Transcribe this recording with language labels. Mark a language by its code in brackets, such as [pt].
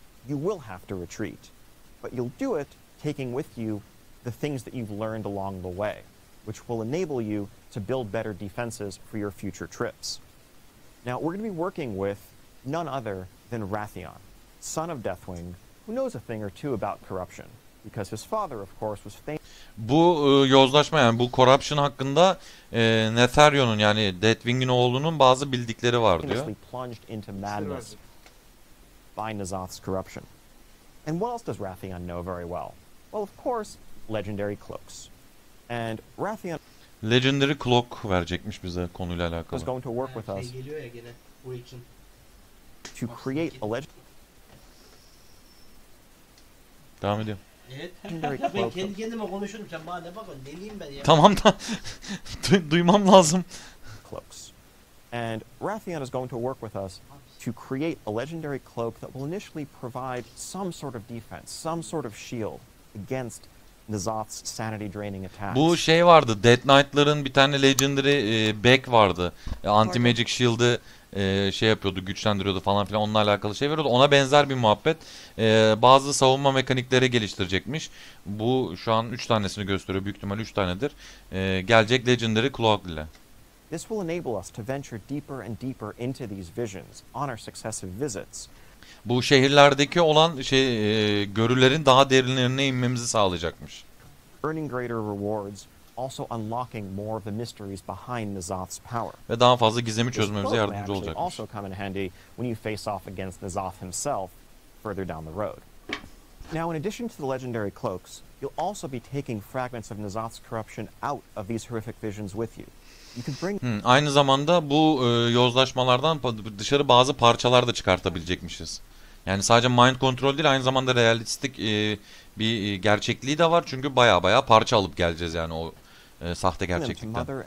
[en] you will have to retreat, but you'll do it taking with you the things that you've learned along the way, which will enable you to build better defenses for your future trips. Now, we're going to be working with none other than Rathion, son of Deathwing, who knows a thing or two about corruption, because his father, of course, was famous. [tr] Bu yozlaşma, yani bu corruption hakkında Netherion'un, yani Deathwing'in oğlunun bazı bildikleri var diyor. [en] Plunged into madness by Nazoth's corruption. And what else does Rathion know very well? Well, of course, legendary cloaks. And Rathion [tr] Legendary Cloak verecekmiş bize konuyla alakalı. [en] Was going to work with us. To create a legend. [tr] Devam ediyorum. Evet. Ben kendi kendime konuşurum. Sen bana ne bakın? Deliyim ben ya. Tamam da duymam lazım. [en] Cloaks. And Rathion is going to work with us to create a legendary cloak that will initially provide some sort of defense, some sort of shield against Nazoth's sanity draining attacks. [tr] Bu şey vardı. Dead Knight'ların bir tane legendary back vardı. Anti magic shield'ı şey yapıyordu, güçlendiriyordu falan filan, onunla alakalı şey veriyordu. Ona benzer bir muhabbet. Bazı savunma mekanikleri geliştirecekmiş. Bu şu an 3 tanesini gösteriyor. Büyük ihtimal 3 tanedir. Gelecek legendary cloak ile. [en] This will enable us to venture deeper and deeper into these visions on our successive visits. [tr] Bu şehirlerdeki olan şey görülerin daha derinlerine inmemizi sağlayacakmış. [en] Earning greater rewards, also unlocking more of the mysteries behind Nazoth's power. [tr] Ve daha fazla gizemi çözmemize yardımcı olacak. [en] Also come in handy when you face off against Nazoth himself further down the road. Now, in addition to the legendary cloaks, you'll also be taking fragments of Nazoth's corruption out of these horrific visions with you. [tr] Aynı zamanda bu yozlaşmalardan dışarı bazı parçalar da çıkartabilecekmişiz. Yani sadece mind control değil, aynı zamanda realistik bir gerçekliği de var. Çünkü baya baya parça alıp geleceğiz yani o sahte gerçeklikten.